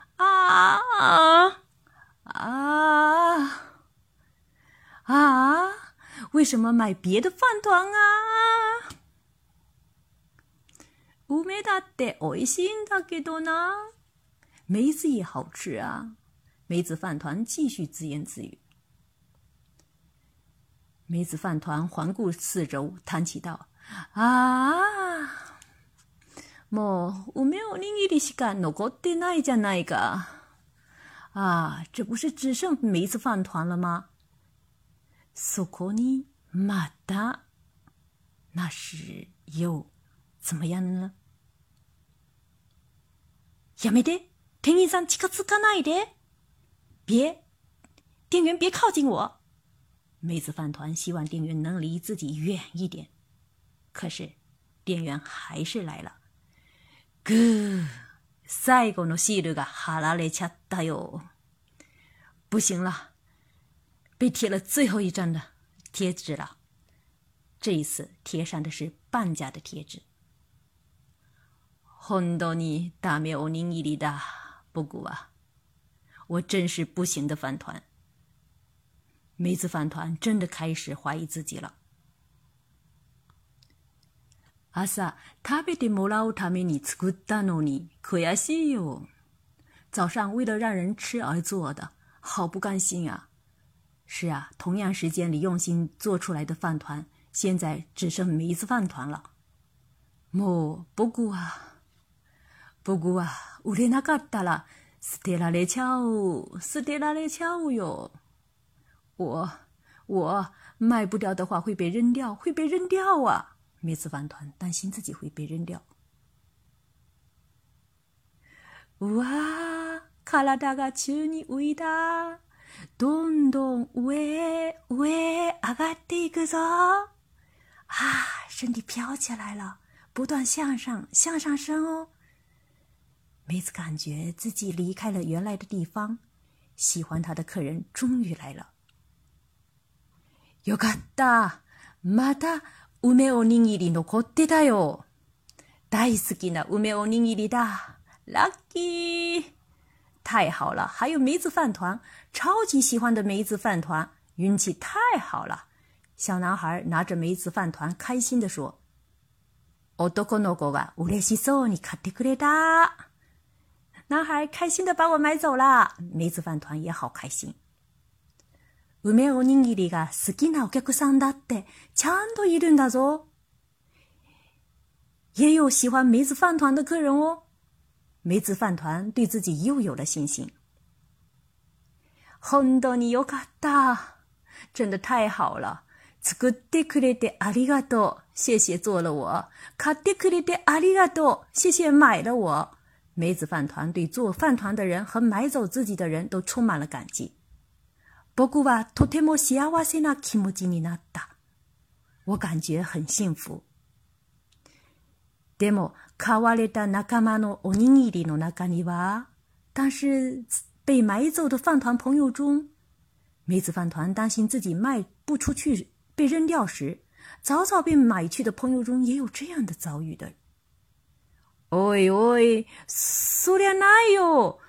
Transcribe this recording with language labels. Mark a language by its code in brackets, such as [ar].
[zh] ああ。 ああ。ああ。为什么买别的饭团啊？ [ja] 梅だって美味しいんだけどな。 [zh] 梅子也好吃啊。梅子饭团继续自言自语。梅子饭团环顾四周，叹气道：“ [ja] 啊，もう梅おにぎりしか残ってないじゃないか。 [zh] 啊，这不是只剩梅子饭团了吗？ [ja] そこにまた， [zh] 那是又怎么样呢？” [ja] やめて、店員さん近づかないで。 [zh] 別、店員別靠近我。梅子饭团希望店員能离自己远一点。可是、店員还是来了。 [ja] ぐー、最後のシールが貼られちゃったよ。 [zh] 不行了、被贴了最后一张的贴纸了。这一次贴上的是半价的贴纸。 [ja] 本当にダメおにぎりだ、僕は。 [zh] 我真是不行的饭团。梅子饭团真的开始怀疑自己了。 [ja] 朝食べてもらうために作ったのに、悔しいよ。 [zh] 早上为了让人吃而做的，好不甘心啊。是啊，同样时间里用心做出来的饭团，现在只剩梅子饭团了。 [ja] もう、僕は。 [zh] 不过啊， [ja] 売れなかったら捨てられちゃう、捨てられちゃうよ。 [zh] 我卖不掉的话会被扔掉，会被扔掉啊！梅子饭团担心自己会被扔掉。 [ja] 哇，体が宙に浮いた，どんどん上上がっていくぞ。 [zh] 啊，身体飘起来了，不断向上，向上升哦。梅子感觉自己离开了原来的地方，喜欢他的客人终于来了。 [ja] よかった。また梅おにぎり残ってたよ。大好きな梅おにぎりだ。ラッキー。 [zh] 太好了，还有梅子饭团，超级喜欢的梅子饭团，运气太好了。小男孩拿着梅子饭团开心地说。 [ja] 男の子が嬉しそうに買ってくれた。 [zh] 男孩开心地把我买走了，梅子饭团也好开心。 [ja] 梅おにぎりが好きなお客さんだってちゃんといるんだぞ。 [zh] 也有喜欢梅子饭团的客人哦。梅子饭团对自己又有了信心。 [ja] 本当によかった， [zh] 真的太好了。 [ja] 作ってくれてありがとう， [zh] 谢谢做了我。 [ja] 買ってくれてありがとう， [zh] 谢谢买了我。梅子饭团对做饭团的人和买走自己的人都充满了感激。 [ja] 僕はとても幸せな気持ちになった。 [zh] 我感觉很幸福。 [ja] でも買われた仲間のおにぎりの中には、 [zh] 但是被买走的饭团朋友中，梅子饭团担心自己卖不出去被扔掉时，早早被买去的朋友中也有这样的遭遇的。 [ja] おいおい、そりゃないよ。